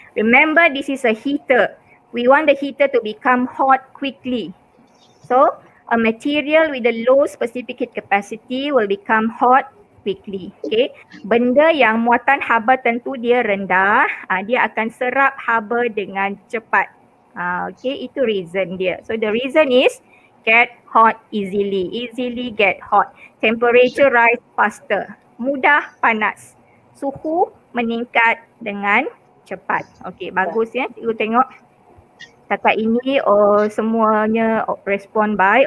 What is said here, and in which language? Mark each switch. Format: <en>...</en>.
<en>Remember, this is a heater. We want the heater to become hot quickly. So, a material with a low specific heat capacity will become hot quickly.</en> <ms>Okay, benda yang muatan haba tentu dia rendah, dia akan serap haba dengan cepat. Okay, itu reason dia.</ms> <en>So the reason is get hot easily, easily get hot. Temperature rise faster,</en> <ms>mudah panas. Suhu meningkat dengan cepat. Okay, bagus ya. Cikgu tengok. Setakat ini semuanya respond by.</ms>